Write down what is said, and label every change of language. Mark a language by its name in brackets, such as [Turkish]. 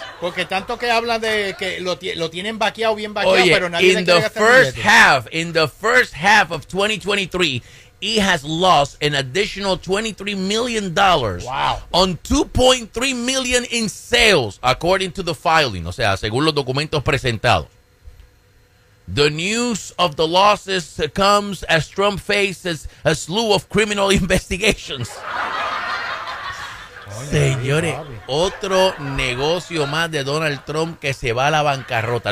[Spanish] Porque tanto que hablan de que lo tienen vaqueado, bien vaqueado, pero nadie le quiere gastar. [English] In the first half of 2023, he has lost an additional $23 million on $2.3 million in sales, according to the filing. [Spanish] O sea, según los documentos presentados. [English] The news of the losses comes as Trump faces a slew of criminal investigations. [Spanish] Señores, otro negocio más de Donald Trump que se va a la bancarrota.